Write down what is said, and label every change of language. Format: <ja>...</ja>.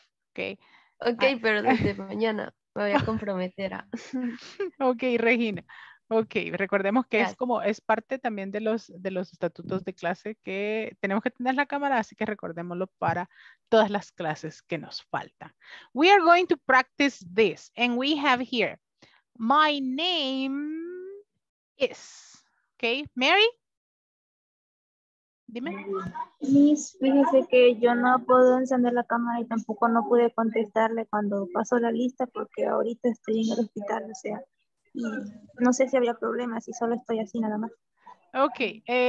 <es>Ok, okay, pero desde mañana me voy a comprometer a... Ok, Regina. Ok, recordemos que es como, es parte también de los estatutos de clase que tenemos que tener la cámara, así que recordémoslo para todas las clases que nos faltan.</es> <en>We are going to practice this, and we have here, my name... Yes. Okay. Mary? Dime.</en> <es>Miss, fíjese que yo no puedo encender la cámara y tampoco no pude contestarle cuando pasó la lista porque ahorita estoy en el hospital, o sea, y no sé si había problemas y solo estoy así nada más. Okay.</es>